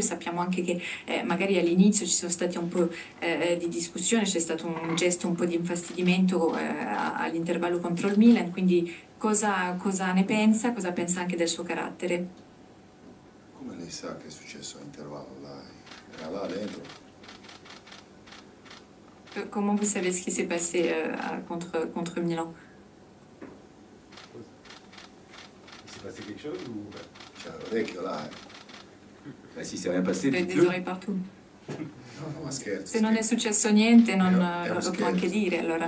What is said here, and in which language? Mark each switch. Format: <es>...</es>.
<it>Sappiamo anche che magari all'inizio ci sono stati un po' di discussione, c'è stato un gesto un po' di infastidimento all'intervallo contro il Milan, quindi cosa ne pensa, cosa pensa anche del suo carattere? Come lei sa che è successo all'intervallo? Era là dentro.</it> <fr>Comment vous savez ce qui s'est passé contre Milan? Il s'est passé quelque chose ou... J'ai un rec, là. Bah, si, c'est rien passé. Il y a des oreilles partout.</fr> <it>Non, un scherzo. Se non è successo niente, non lo può anche dire, allora.</it>